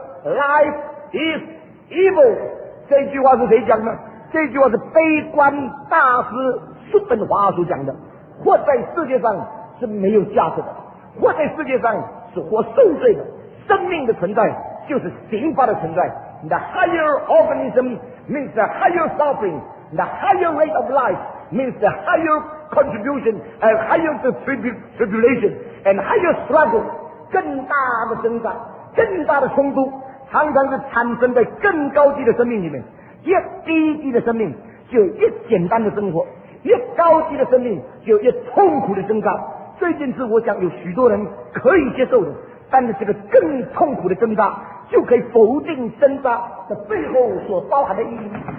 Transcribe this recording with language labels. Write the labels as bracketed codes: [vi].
[en] Life is evil， [zh] 这句话是谁讲的？这句话是悲观大师叔本华所讲的。活在世界上是没有价值的，活在世界上是活受罪的。生命的存在就是刑罚的存在。 [en] The higher organism means the higher suffering. The higher rate of life means the higher contribution and higher tribulation and higher struggle. [zh] 更大的挣扎，更大的冲突，常常是产生在更高级的生命里面。越低级的生命就有越简单的生活，越高级的生命就越痛苦的挣扎。这件事我想有许多人可以接受的，但是这个更痛苦的挣扎就可以否定挣扎的背后所包含的意义。